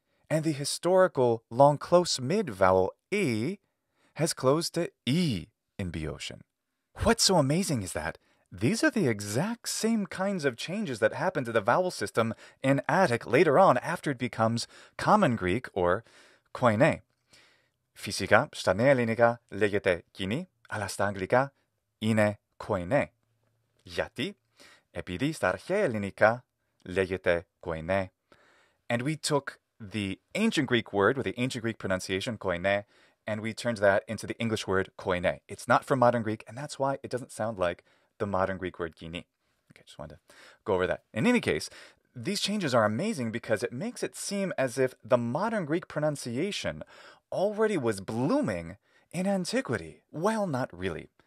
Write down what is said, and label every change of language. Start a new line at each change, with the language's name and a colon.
English: And the historical long close mid vowel e has closed to e in Boeotian. What's so amazing is that These are the exact same kinds of changes that happen to the vowel system in Attic later on after it becomes Common Greek or Koine.
Greek: Φυσικά, στα νέα ελληνικά λέγεται κοινή, αλλά στα αγγλικά είναι Koine. Γιατί? Επειδή στα αρχαία ελληνικά λέγεται Koine.
English: And we took the ancient Greek word with the ancient Greek pronunciation, Koine, and we turned that into the English word Koine. It's not from modern Greek, and that's why it doesn't sound like the modern Greek word kini. Okay, just wanted to go over that. In any case, these changes are amazing because it makes it seem as if the modern Greek pronunciation already was blooming in antiquity. Well, not really.